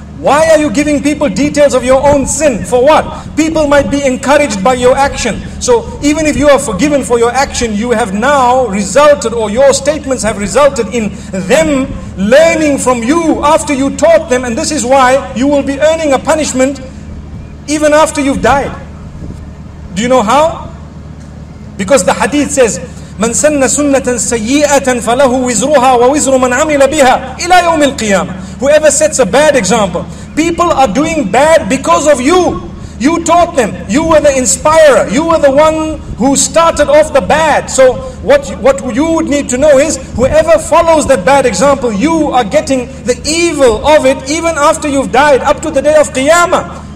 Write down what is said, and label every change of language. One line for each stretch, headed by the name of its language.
English: Why are you giving people details of your own sin? For what? People might be encouraged by your action. So even if you are forgiven for your action, you have now resulted, or your statements have resulted in them learning from you after you taught them. And this is why you will be earning a punishment even after you've died. Do you know how? Because the hadith says,
Arabic: مَنْ سَنَّ سُنَّةً سَيِّئَةً فَلَهُ وِزْرُهَا وَوِزْرُ مَنْ عَمِلَ بِهَا إِلَى يَوْمِ الْقِيَامَةِ.
English: Whoever sets a bad example, people are doing bad because of you. You taught them. You were the inspirer. You were the one who started off the bad. So what you would need to know is, whoever follows that bad example, you are getting the evil of it even after you've died, up to the day of Qiyamah.